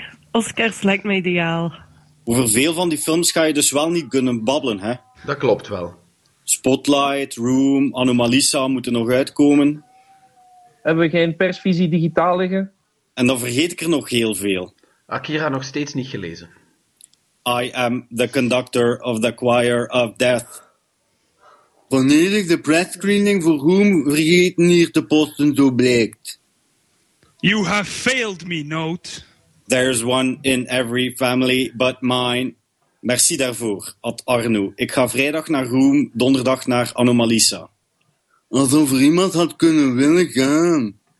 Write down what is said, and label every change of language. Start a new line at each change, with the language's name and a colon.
Dutch: Oscars lijkt me ideaal. Over veel van die films ga je dus wel niet kunnen babbelen, hè? Dat klopt wel. Spotlight, Room, Anomalisa moeten nog uitkomen. Hebben we geen persvisie digitaal liggen? En dan vergeet ik er nog heel veel. Akira nog steeds niet gelezen.
English: I am the conductor of the choir of death.
Dutch: Wanneer ik de press screening voor Room vergeten hier te posten, zo blijkt.
English: You have failed me, Note. There's one in every family but mine.
Dutch: Merci daarvoor,
English: Ad Arno.
Dutch: Ik ga vrijdag naar Room, donderdag naar Anomalisa. Alsof er iemand had kunnen willen gaan.